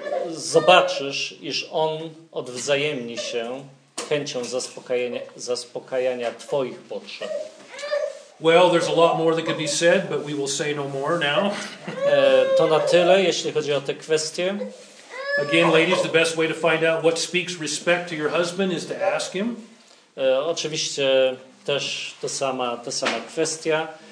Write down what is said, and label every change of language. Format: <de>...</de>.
<pl>Zobaczysz, iż on odwzajemni się chęcią zaspokajania twoich potrzeb.</pl> <en>Well, there's a lot more that could be said, but we will say no more now.</en> <pl>To na tyle, jeśli chodzi o te kwestie.</pl> <en>Again, ladies, the best way to find out what speaks respect to your husband is to ask him.</en> <pl>Oczywiście też ta sama kwestia.</pl>